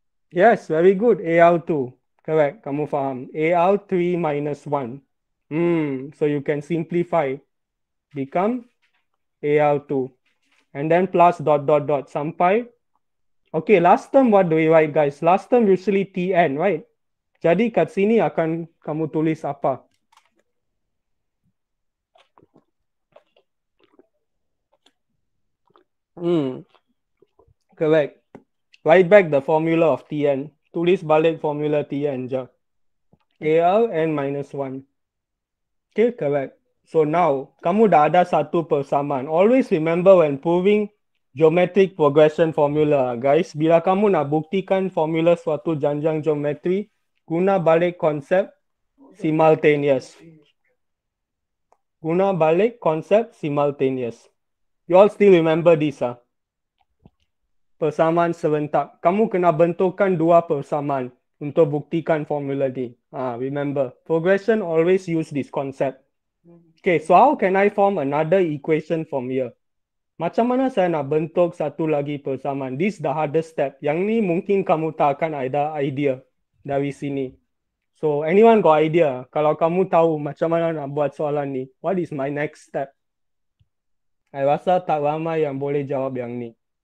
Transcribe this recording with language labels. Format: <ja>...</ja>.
<en>Yes, very good. Al2, correct.</en> <ms>Kamu faham.</ms> <en>Al3 minus 1. So you can simplify, become Al2, and then plus dot dot dot</en> <ms>sampai.</ms> <en>Okay, last term, what do we write, guys? Last term usually Tn, right?</en> <ms>Jadi kat sini akan kamu tulis apa?</ms> <en>Correct. Write back the formula of Tn.</en> <ms>Tulis balik formula Tn je.</ms> <en>Aln minus 1. Okay, correct. So now,</en> <ms>kamu dah ada satu persamaan.</ms> <en>Always remember when proving geometric progression formula, guys.</en> <ms>Bila kamu nak buktikan formula suatu janjang geometri, guna balik konsep simultaneous. Guna balik konsep</ms> <en>simultaneous. You all still remember this, ah?</en> <ms>Persamaan serentak. Kamu kena bentukkan dua persamaan untuk buktikan formula D.</ms> <en>Remember, progression always use this concept. Okay, so how can I form another equation from here?</en> <ms>Macam mana saya nak bentuk satu lagi persamaan?</ms> <en>This the hardest step.</en> <ms>Yang ni mungkin kamu tak akan ada idea dari sini.</ms> <en>So, anyone got idea?</en> <ms>Kalau kamu tahu macam mana nak buat soalan ni,</ms> <en>what is my next step?</en> <ms>I rasa tak ramai yang boleh jawab yang ni.</ms>